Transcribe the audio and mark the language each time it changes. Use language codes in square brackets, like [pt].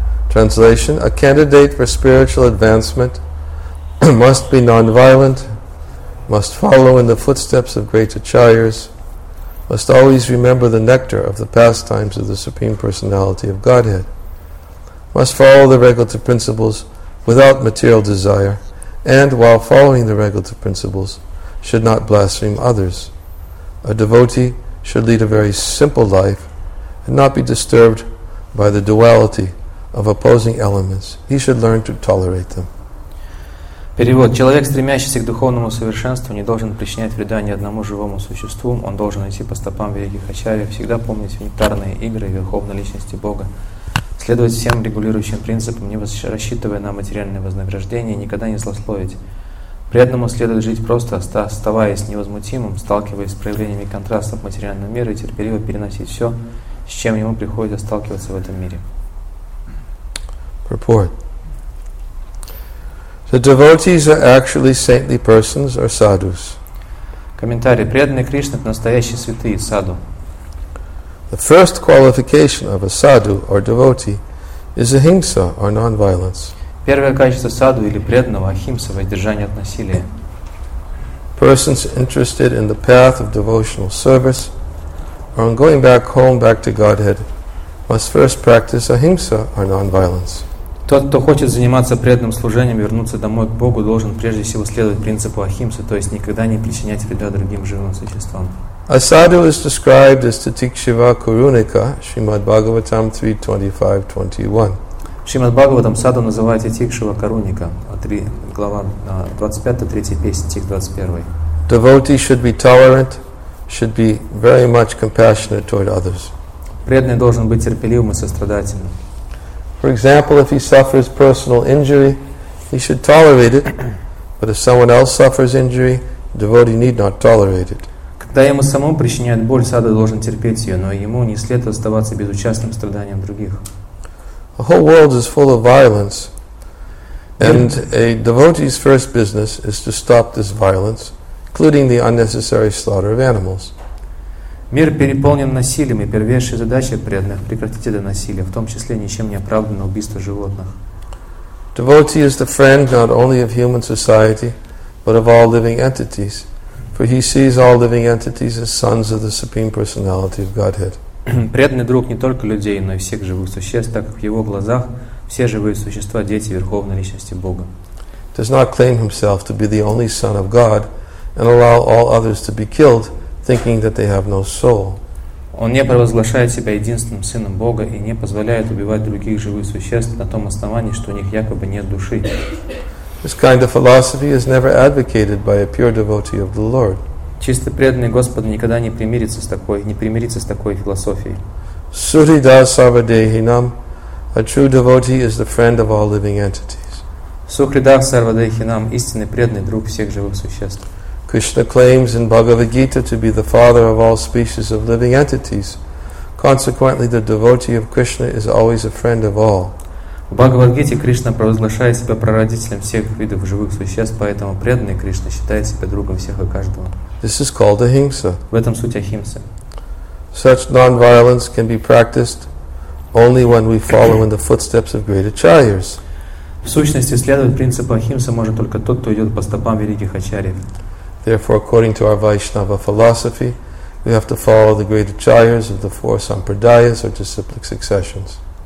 [en] Translation: a candidate for spiritual advancement must be non-violent, must follow in the footsteps of great acharyas, must always remember the nectar of the pastimes of the Supreme Personality of Godhead, must follow the regulative principles without material desire, and while following the regulative principles, should not blaspheme others. A devotee should lead a very simple life and not be disturbed by the duality of opposing elements. He should learn to tolerate them. [ru] Перевод. Человек, стремящийся к духовному совершенству, не должен причинять вреда ни одному живому существу. Он должен идти по стопам великих ачарьев, всегда помнить нектарные игры Верховной Личности Бога, следовать всем регулирующим принципам, не рассчитывая на материальное вознаграждение, никогда не злословить. Преданному следует жить просто, оставаясь невозмутимым, сталкиваясь с проявлениями контрастов материального мира и терпеливо переносить все, с чем ему приходится сталкиваться в этом мире. [en] Purport. The devotees are actually saintly persons or sadhus. [ru] Комментарий. Преданные Кришны — это настоящие святые, саду. [en] The first qualification of a sadhu or devotee is ahimsa or non-violence. [ru] Первое качество саду или преданного — ахимса, воздержание от насилия. [en] Persons interested in the path of devotional service or on going back home, back to Godhead, must first practice ahimsa or non-violence. [ru] Тот, кто хочет заниматься преданным служением, вернуться домой к Богу, должен прежде всего следовать принципу ахимсы, то есть никогда не причинять вреда другим живым существам. [en] A sadhu is described as [sa] Titikshiva Kurunika, [en] Shrimad Bhagavatam 3.25.21. [ru] Shrimad Bhagavatam саду называют [sa] Титикшива Каруника, [ru] глава 25-3 песни, стих 21. [en] Devotee should be tolerant, should be very much compassionate toward others. [ru] Преданный должен быть терпеливым и сострадательным. [en] For example, if he suffers personal injury, he should tolerate it. But if someone else suffers injury, the devotee need not tolerate it. [ru] Когда ему самому причиняют боль, саду должен терпеть ее, но ему не следует оставаться безучастным страданиям других. [en] The whole world is full of violence, and a devotee's first business is to stop this violence, including the unnecessary slaughter of animals. [ru] Мир переполнен насилием, и первейшая задача преданных — прекратить это насилие, в том числе ничем не оправданное убийство животных. [en] Devotee is the friend not only of human society, but of all living entities. For he sees all living entities as sons of the Supreme Personality of Godhead. [ru] Преданный друг не только людей, но и всех живых существ, так как в его глазах все живые существа – дети Верховной Личности Бога. [en] Does not claim himself to be the only son of God and allow all others to be killed, thinking that they have no soul. [ru] Он не провозглашает себя единственным сыном Бога и не позволяет убивать других живых существ на том основании, что у них якобы нет души. [en] This kind of philosophy is never advocated by a pure devotee of the Lord. [ru] Чисто преданный Господа никогда не примирится с такой, не примирится с такой философией. [sa] Sudhida Sarvadehinam, [en] a true devotee is the friend of all living entities. [sa] Sukhrida Sarvadehinam, [ru] истинный преданный друг всех живых существ. [en] Krishna claims in Bhagavad Gita to be the father of all species of living entities. Consequently, the devotee of Krishna is always a friend of all. [ru] В Бхагавад-гите Кришна провозглашает себя прародителем всех видов живых существ, поэтому преданный Кришна считает себя другом всех и каждого. [en] This is called ahimsa. [ru] В этом суть ахимсы. [en] Such non-violence can be practiced only when we follow in the footsteps of great acharyas. [ru] В сущности, следовать принципу ахимсы может только тот, кто идет по стопам великих ачарьев. [en] Therefore, according to our Vaishnava philosophy, we have to follow the great acharyas of the four sampradayas or disciplic successions.